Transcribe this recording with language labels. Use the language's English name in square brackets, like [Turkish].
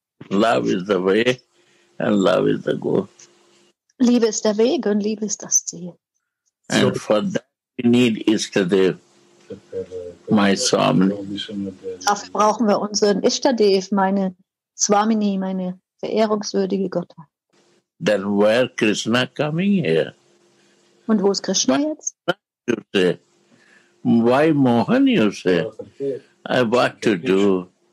[English] Love is the way, and love is the goal. [German] Liebe ist der Weg und Liebe ist das Ziel. [English] And so, for that we need Ishtadev, my Swamini. [German] Dafür brauchen wir unseren Ishtadev, meine Swamini, meine verehrungswürdige Gottheit. [English] Then where Krishna coming here? [German] Und wo ist Krishna jetzt? [English] You say, why Mohan, you say? I want to do.